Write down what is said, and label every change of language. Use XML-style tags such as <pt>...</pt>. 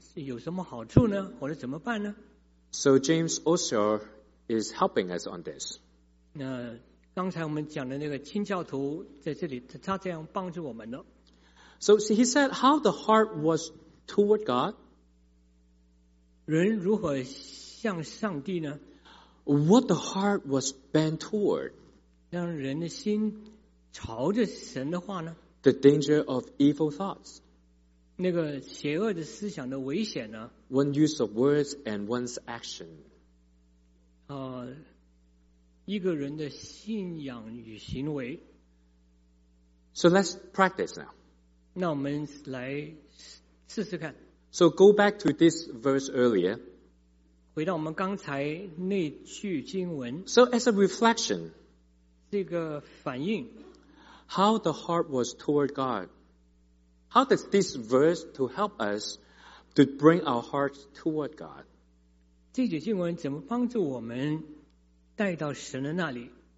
<zh>那下一步我们就说，哎，这个对我们有什么好处呢？或者怎么办呢？</zh> <en>So James also is helping us on this.</en> <zh>那刚才我们讲的那个清教徒在这里，他这样帮助我们了。</zh> <en>So he said, how the heart was toward God?</en> <zh>人如何向上帝呢？</zh> <en>What the heart was bent toward?</en> <zh>让人的心朝着神的话呢？</zh> <en>The danger of evil thoughts.</en> <zh>那个邪恶的思想的危险呢?</zh> <en>One use of words and one's action.</en> <zh>一个人的信仰与行为。</zh> <en>So let's practice now.</en> <zh>那我们来试试看。</zh> <en>So go back to this verse earlier.</en> <zh>回到我们刚才那句经文。</zh> <en>So as a reflection.</en> <zh>这个反应。</zh> <en>How the heart was toward God. How does this verse to help us to bring our hearts toward God?</en> <zh>这节经文怎么帮助我们带到神的那里?</zh>